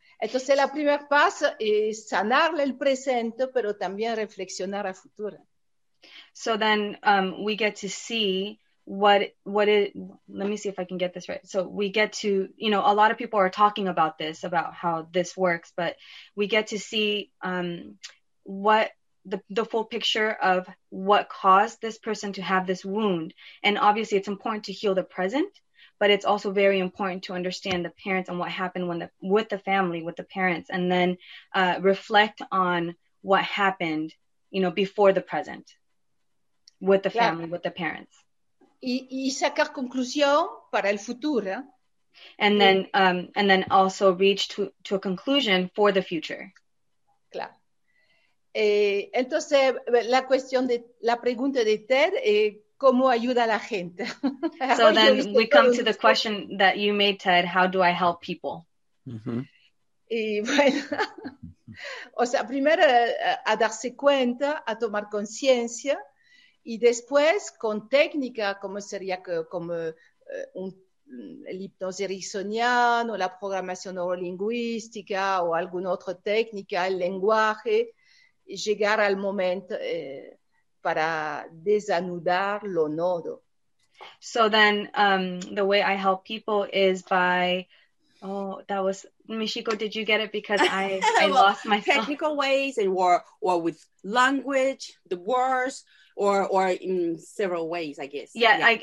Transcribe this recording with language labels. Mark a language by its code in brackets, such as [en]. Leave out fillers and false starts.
[es] Entonces, la primer paso es sanar el presente, pero también reflexionar al futuro. [en] So then we get to see what it, let me see if I can get this right. So we get to, you know, a lot of people are talking about this, about how this works, but we get to see what the full picture of what caused this person to have this wound. And obviously it's important to heal the present, but it's also very important to understand the parents and what happened with the parents, and then reflect on what happened, you know, before the present with the family, yeah, with the parents. [es] Y sacar conclusión para el futuro. [en] And then and then also reach to a conclusion for the future. [es] Claro. Entonces, la pregunta de Ted es cómo ayuda a la gente. [en] So then we come to the question that you made, Ted. How do I help people? [es] Mm-hmm. Y bueno, o sea, primero a darse cuenta, a tomar conciencia. Y después, con técnica, como sería el hipnosis ericksoniana o la programación neurolingüística o alguna otra técnica, el lenguaje, llegar al momento para desanudar lo nodo. [en] So then, the way I help people is by... Oh, that was... Michiko, did you get it? Because I lost myself. Technical ways or with language, the words... Or in several ways, I guess. Yeah, yeah.